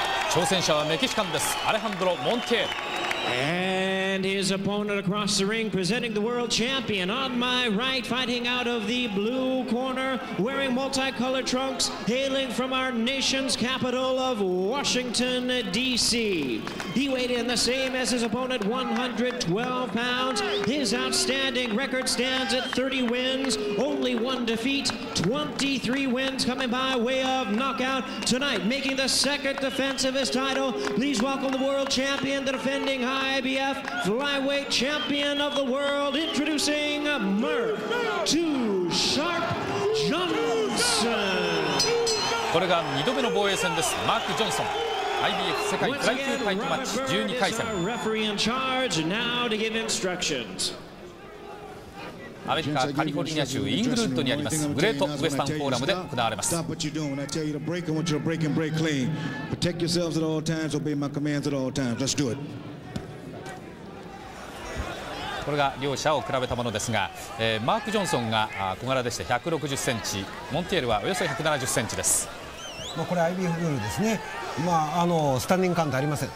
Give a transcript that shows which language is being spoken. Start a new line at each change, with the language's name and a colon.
Japanese: 挑戦者はメキシカンです。アレハンドロ・モンティエル。
English: And his opponent across the ring, presenting the world champion on my right, fighting out of the blue corner, wearing multicolored trunks, hailing from our nation's capital of Washington, D.C. He weighed in the same as his opponent, 112 pounds. His outstanding record stands at 30 wins, only one defeat, 23 wins coming by way of knockout. Tonight, making the second defense of his title, please welcome the world champion, the defending IBF flyweight champion of the world, introducing Mark Too Sharp Johnson.
Japanese: これが2度目の防衛戦です。マーク・ジョンソン IBF 世界フライ級タイトルマッチ12回戦。
English: Referee in charge now to give instructions.
Japanese: アメリカカリフォルニア州イングルウッドにありますグレートウェスタンフォーラムで行われます。
English: Stop what you're doing when I tell you to break and want you to break and break clean. Protect yourselves at all times, obey my commands at all times. Let's do it.
Japanese: これが両者を比べたものですが、マーク・ジョンソンが小柄でして160センチ、モンティエルはおよそ170センチです。まあ、これ IBF ルールですね。まあ、スタンディングカウントありません。